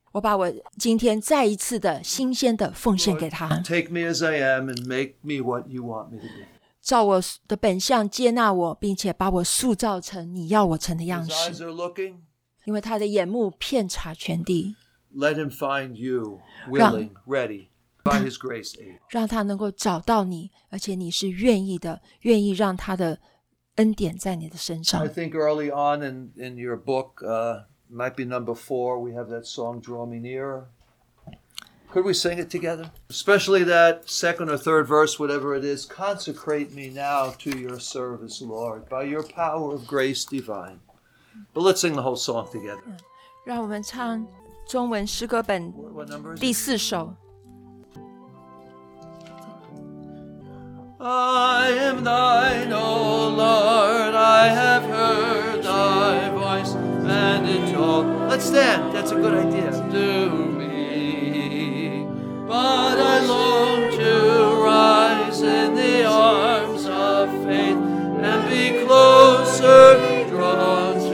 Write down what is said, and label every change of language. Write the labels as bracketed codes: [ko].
[zh] 我把我今天再一次的新鲜的奉献给他。 [en] Lord, take me as I am and make me what you want me to be. [zh] 照我的本相接纳我，并且把我塑造成你要我成的样式。 [en] His eyes are looking. [zh] 因为他的眼目遍察全地。 [en] Let Him find you willing, ready. By His grace, able. [zh] 让他能够找到你，而且你是愿意的，愿意让他的恩典在你的身上。 [en] I think early on in your book, might be number four, we have that song, Draw Me Nearer. Could we sing it together? Especially that second or third verse, whatever it is. Consecrate me now to your service, Lord, by your power of grace divine. But let's sing the whole song together. [zh] 让我们唱中文诗歌本第四首。 [en] I am thine, O Lord, I have heard thy voice, and it told. Let's stand, that's a good idea. Do me. But I long to rise in the arms of faith and be closer drawn.